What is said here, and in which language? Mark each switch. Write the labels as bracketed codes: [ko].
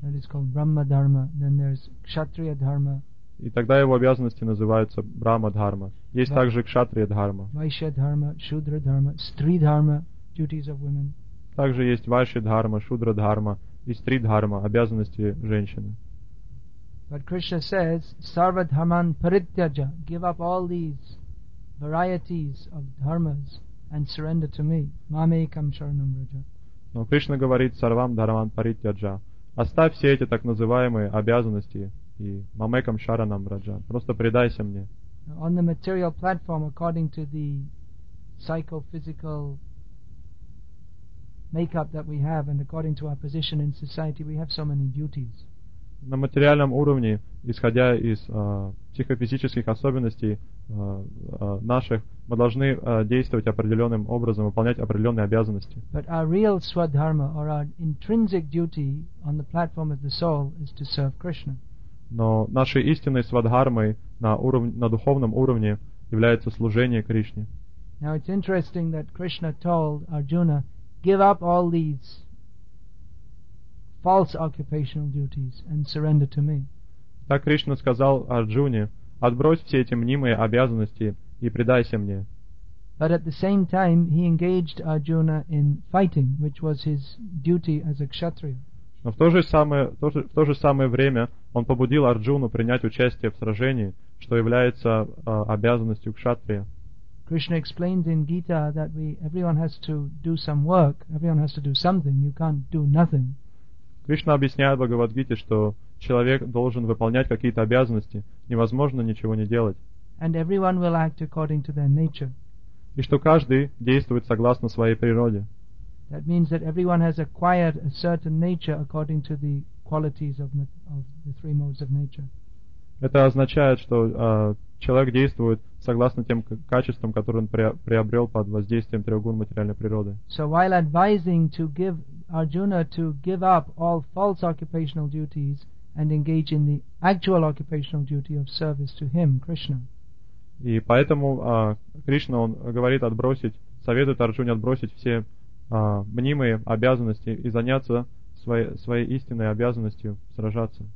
[en] That is called brahma dharma. Then there's kshatriya dharma. [ru] И тогда его обязанности называются брахма-дхарма. Есть также кшатрия-дхарма. [en] Вайшья-дхарма, шудра-дхарма, стри-дхарма, duties of women. [ru] Также есть вайшья-дхарма, шудра-дхарма и стри-дхарма, обязанности женщины. [en] But Krishna says, [sa] sarva-dharman parityaja, [en] give up all these varieties of dharmas and surrender to me, [sa] mamekam sharanam raja. [ru] Но Кришна говорит, [sa] sarvam-dharman parityaja, [ru] оставь все эти так называемые обязанности и [sa] мамекам шаранам раджа. [ru] Просто предайся мне. [en] On the material platform, according to the psychophysical makeup that we have, and according to our position in society, we have so many duties. [ru] На материальном уровне, исходя из психофизических особенностей наших, мы должны действовать определенным образом, выполнять определенные обязанности. [en] But our real swadharma, or our intrinsic duty on the platform of the soul, is to serve Krishna. [ru] Но нашей истинной свадхармой на духовном уровне является служение Кришне. [en] Now it's interesting that Krishna told Arjuna, give up all these false occupational duties and surrender to me. [ru] Так Кришна сказал Арджуне, отбрось все эти мнимые обязанности и предайся мне. [en] But at the same time, he engaged Arjuna in fighting, which was his duty as a kshatriya. [ru] Но в то же самое время он побудил Арджуну принять участие в сражении, что является обязанностью кшатрия. [en] Krishna explains in Gita that everyone has to do some work, everyone has to do something, you can't do nothing. [ru] Кришна объясняет в Бхагавад-гите, что человек должен выполнять какие-то обязанности, невозможно ничего не делать. [en] And everyone will act according to their nature. [ru] И что каждый действует согласно своей природе. [en] That means that everyone has acquired a certain nature according to the qualities of the three modes of nature. [ru] Это означает, что человек действует согласно тем качествам, которые он приобрел под воздействием трех гун материальной природы. [en] So while advising to give Arjuna to give up all false occupational duties and engage in the actual occupational duty of service to him, Krishna. [ru] И поэтому Кришна он говорит отбросить, советует Арджуне отбросить все мнимые обязанности и заняться своей истинной обязанностью сражаться.